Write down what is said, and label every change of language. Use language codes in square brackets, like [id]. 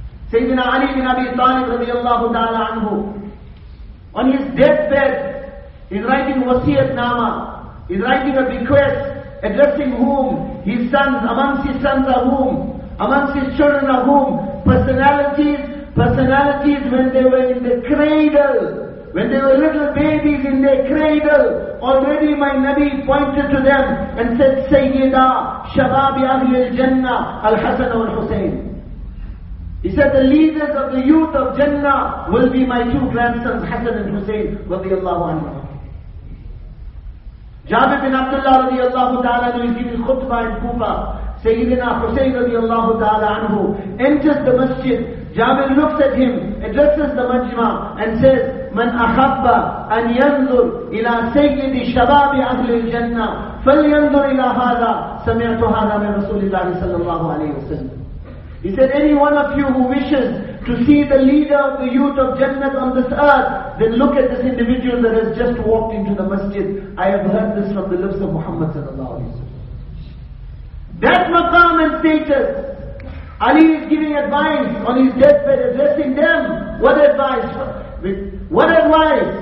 [en] Sayyidina Ali bin Abi Talib radiallahu ta'ala anhu, on his deathbed, he's writing wasiyat nama, he's writing a bequest, addressing whom, his sons, amongst his sons are whom, amongst his children are whom, personalities when they were in the cradle, when they were little babies in their cradle, already my Nabi pointed to them and said, Sayyida Shababi Ahlul Jannah Al Hasan Al Hussein. He said, the leaders of the youth of Jannah will be my two grandsons, Hasan and Hussein, radiallahu anhu. Jabir bin Abdullah radiallahu ta'ala anhu is giving khutbah in Kufa. Sayyidina Hussein radiallahu ta'ala anhu enters the masjid. Jabir looks at him, addresses the majma, and says, [ar] من أحب أن ينظر إلى سيد شباب أهل الجنة فلينظر إلى هذا سمعت هذا من رسول الله صلى الله عليه وسلم. [en] He said, any one of you who wishes to see the leader of the youth of Jannah on this earth, then look at this individual that has just walked into the masjid. I have heard this from the lips of Muhammad صلى الله عليه وسلم. That maqam and status, Ali is giving advice on his deathbed, addressing them. What advice? What advice?